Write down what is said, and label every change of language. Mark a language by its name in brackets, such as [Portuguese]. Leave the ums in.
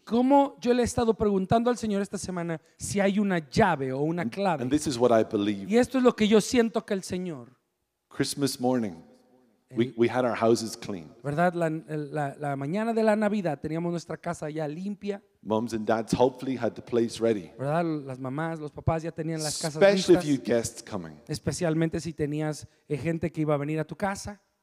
[Spanish] cómo yo le he estado preguntando al Señor esta semana si hay una llave o una clave. Y esto es lo que yo siento que el Señor. [English] Christmas morning. El, we, we had our houses clean. [Spanish] ¿Verdad? La, la, la mañana de la Navidad teníamos nuestra casa ya limpia. [English] Moms and dads hopefully had the place ready. [Spanish] ¿Verdad? Las mamás, los papás ya tenían las [English] Especially [Spanish] casas [English] Especially [Spanish] listas. [English] If you had guests coming. [Spanish] Especialmente si tenías gente que iba a venir a tu casa.